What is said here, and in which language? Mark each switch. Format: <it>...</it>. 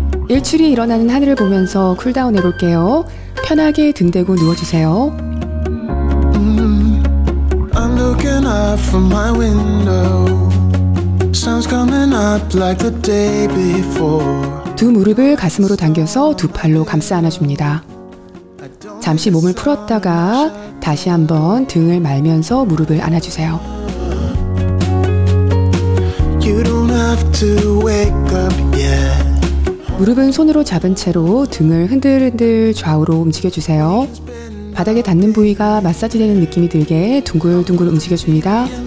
<ko>일출이 일어나는 하늘을 보면서 쿨다운 해볼게요. 편하게 등대고 누워주세요.</ko> <en>I'm looking out from my window. Sun's coming up like the day before.</en> <ko>두 무릎을 가슴으로 당겨서 두 팔로 감싸 안아줍니다. 잠시 몸을 풀었다가 다시 한번 등을 말면서 무릎을 안아주세요.</ko> <en>You don't have to wake up yet.</en> <ko>무릎은 손으로 잡은 채로 등을 흔들흔들 좌우로 움직여주세요. 바닥에 닿는 부위가 마사지 되는 느낌이 들게 둥글둥글 움직여줍니다.</ko>